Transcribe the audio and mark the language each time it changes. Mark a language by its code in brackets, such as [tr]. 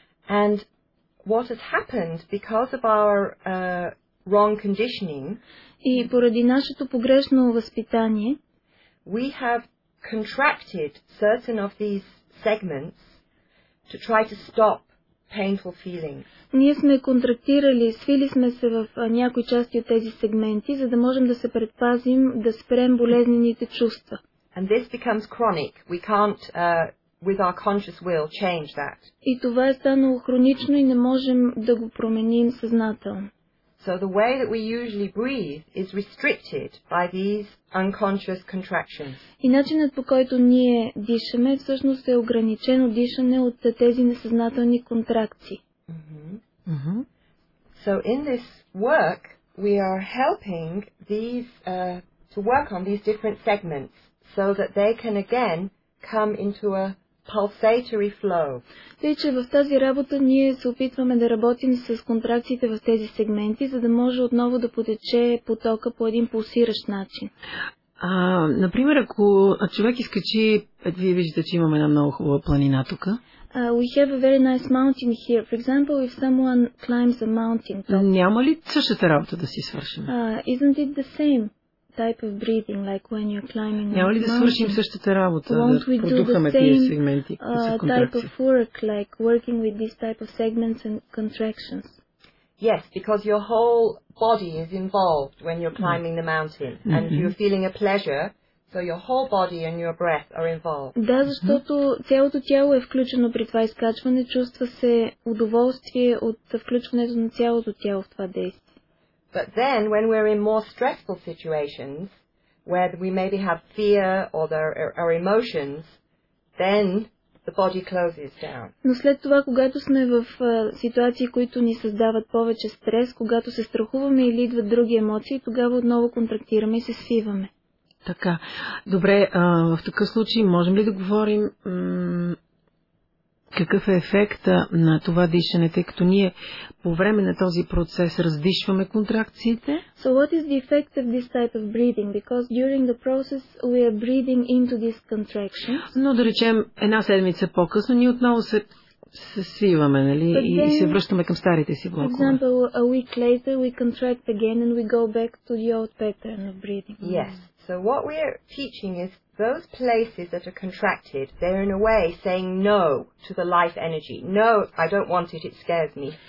[en] And what has happened because of our wrong conditioning, [bg] и поради нашето погрешно възпитание, [en] we have contracted certain of these segments to try to stop painful feelings. [bg] Ние сме контрактирали, свили сме се в някои части от тези сегменти, за да можем да се предпазим, да спрем болезнените чувства. [en] And this becomes chronic. We can't with our conscious will change that. [bg] И това е станало хронично и не можем да го променим съзнателно. [en] So the way that we usually breathe is restricted by these unconscious contractions. [bg] И начинът, по който ние дишаме, всъщност е ограничено дишане от тези несъзнателни контракции. [en] Mm-hmm. Mm-hmm. So in this work, we are helping these to work on these different segments, so that they can again come into a pulsatory flow. [bg] Тъй, че в тази работа ние се опитваме да работим с контракциите в тези сегменти, за да може отново да потече потока по един пулсиращ начин. Например, ако човек изкачи, вие виждате, че имаме една много хубава планина тук. [en] We have a very nice mountain here. For example, if someone climbs a mountain. [bg] Няма ли същата работа да си свършим? [en] Isn't it the same type of breathing, like when you're climbing a mountain? [bg] Няма ли да свършим същата работа, [en] won't [bg] да продухаме тези сегменти, които са контракции? [en] Type of work, like working with this type of segments and contractions. Yes, because your whole body is involved when you're climbing the mountain, mm-hmm. and you're feeling a pleasure, so your whole body and your breath are involved. [bg] Да, защото цялото тяло е включено при това изкачване, чувства се удоволствие от включването на цялото тяло в това действие. [en] But then when we're in more stressful situations, where we maybe have fear or there are emotions, then the body closes down. [bg] Но след това, когато сме в ситуации, които ни създават повече стрес, когато се страхуваме или идват други емоции, тогава отново контрактираме и се свиваме. Така. Добре, в такъв случай можем ли да говорим какъв е ефекта на това дишане, тъй като ние по време на този процес раздишваме контракциите? [en] So what is the effect of this type of breathing? Because during the process we are breathing into these contractions. [bg] Но да речем една седмица по-късно ние отново се свиваме, нали? [en] Then, [bg] и се връщаме към старите си блокове. [en] For example, a week later we contract again and we go back to the old pattern of breathing. Yes. So what we are teaching is those places that are contracted, they're in a way saying no to the life energy. No, I don't want it, it scares me.